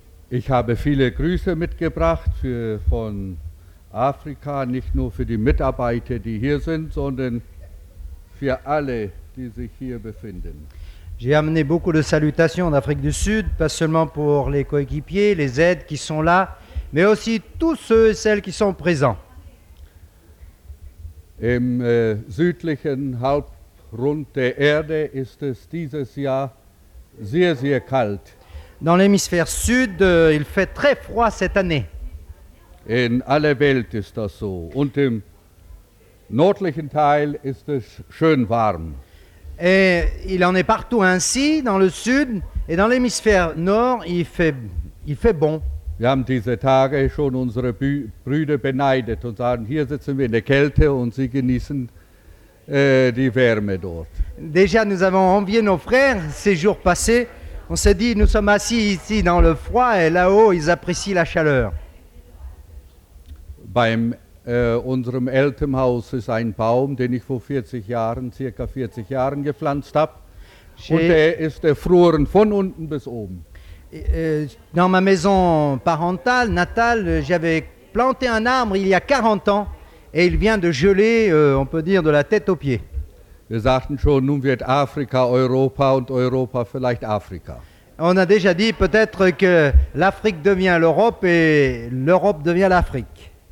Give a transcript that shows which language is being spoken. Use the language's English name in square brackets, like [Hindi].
[German] Ich habe viele Grüße mitgebracht von Afrika, nicht nur für die Mitarbeiter, die hier sind, sondern für alle, die sich hier befinden. [French] J'ai amené beaucoup de salutations d'Afrique du Sud, pas seulement pour les coéquipiers, les aides qui sont là, mais aussi tous ceux et celles qui sont présents. [German] Im südlichen Halbrund der Erde ist es dieses Jahr sehr, sehr kalt. [French] Dans l'hémisphère sud, il fait très froid cette année. [German] In aller Welt ist das so. Und im nördlichen Teil ist es schön warm. [French] Et il en est partout ainsi, dans le sud et dans l'hémisphère nord, il fait bon. [German] Wir haben diese Tage schon unsere Brüder beneidet und sagen, hier sitzen wir in der Kälte und sie genießen die Wärme dort. [French] Déjà, nous avons envié nos frères ces jours passés. On s'est dit, nous sommes assis ici dans le froid et là-haut, ils apprécient la chaleur. [German] Beim unserem Elternhaus ist ein Baum, den ich vor 40 Jahren, circa 40 Jahren gepflanzt habe. Und der ist erfroren von unten bis oben. [French] Dans ma maison parentale, natale, j'avais planté un arbre il y a 40 ans et il vient de geler, on peut dire, de la tête aux pieds. [German] Wir sagten schon, nun wird Afrika Europa und Europa vielleicht Afrika. [French] On a déjà dit peut-être que l'Afrique devient l'Europe et l'Europe devient l'Afrique.